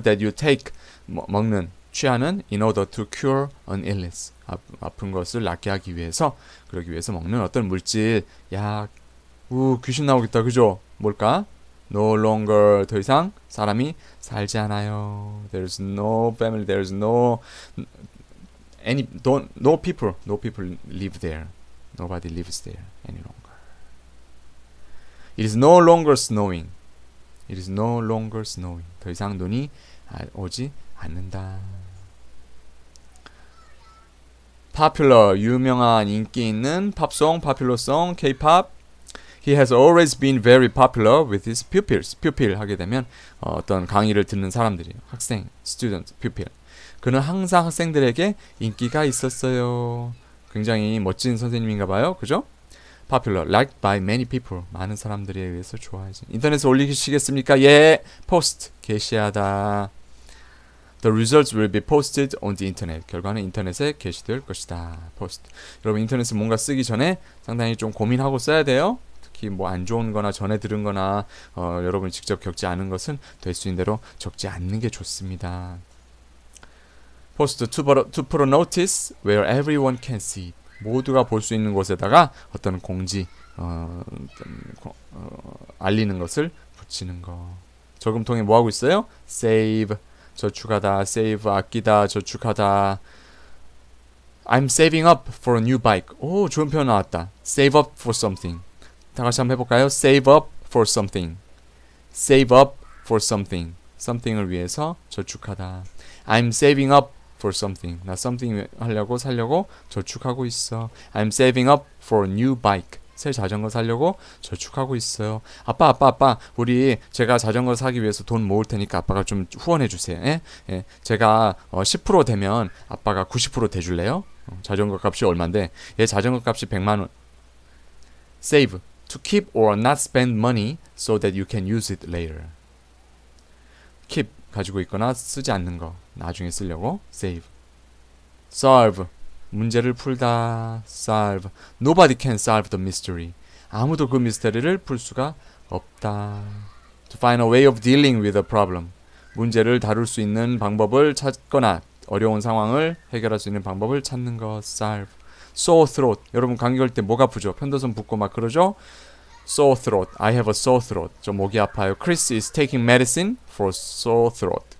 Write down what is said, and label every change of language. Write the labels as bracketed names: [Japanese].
[English] That you take, [Korean] 먹는, 취하는, [English] in order to cure an illness. [Korean] 아픈 것을 낫게 하기 위해서, 그러기 위해서 먹는 어떤 물질, 약. 우, 귀신 나오겠다, 그죠? 뭘까? [English] No longer, [Korean] 더 이상 사람이 살지 않아요. [English] There is no family, there is no, any, don't, no people, no people live there. Nobody lives there any longer. It is no longer snowing. It is no longer snowing. [Korean] 더 이상 눈이 오지 않는다. Popular, 유명한, 인기 있는 팝송, 팝퓰러송, K-pop. [English] He has always been very popular with his pupils. [Korean] Pupil 하게 되면 어떤 강의를 듣는 사람들이에요. 학생, student, pupil. 그는 항상 학생들에게 인기가 있었어요. 굉장히 멋진 선생님인가 봐요. [English] 그죠? Popular. Liked by many people. [Korean] 많은 사람들에 의해서 좋아하지. 인터넷에 올리시겠습니까? [English] 예. Post. 게시하다. The results will be posted on the internet. [Korean] 결과는 인터넷에 게시될 것이다. [English] Post. [Korean] 여러분 인터넷에 뭔가 쓰기 전에 상당히 좀 고민하고 써야 돼요. 특히 뭐 안 좋은 거나 전에 들은 거나 여러분이 직접 겪지 않은 것은 될 수 있는 대로 적지 않는 게 좋습니다. [English] Post to put a notice where everyone can see. [Korean] 모두가 볼 수 있는 곳에다가 어떤 공지 알리는 것을 붙이는 거. 저금통에 뭐 하고 있어요? Save 저축하다, save 아끼다, 저축하다. [English] I'm saving up for a new bike. [Korean] 오, 좋은 표현 나왔다. [English] Save up for something. [Korean] 다 같이 한번 해볼까요? [English] Save up for something. Save up for something. [Korean] Something을 위해서 저축하다. [English] I'm saving up for something. [Korean] 나 something 하려고 살려고 저축하고 있어. [English] I'm saving up for a new bike. [Korean] 새 자전거 사려고 저축하고 있어요. 아빠, 아빠, 아빠, 우리 제가 자전거 사기 위해서 돈 모을 테니까 아빠가 좀 후원해 주세요. 예? 예. 제가 10% 되면 아빠가 90% 대줄래요? 자전거 값이 얼만데? 얘 자전거 값이 100만 원. Save. [English] To keep or not spend money so that you can use it later. Keep. [Korean] 가지고 있거나 쓰지 않는 거. 나중에 쓰려고. Save. Solve. 문제를 풀다. Solve. [English] Nobody can solve the mystery. [Korean] 아무도 그 미스터리를 풀 수가 없다. [English] To find a way of dealing with a problem. [Korean] 문제를 다룰 수 있는 방법을 찾거나 어려운 상황을 해결할 수 있는 방법을 찾는 거. [English] Solve. Sore throat. [Korean] 여러분 감기 걸 때 목 아프죠? 편도선 붓고 막 그러죠? Sore throat. [English] I have a sore throat. [Korean] 저 목이 아파요. [English] Chris is taking medicine for sore throat.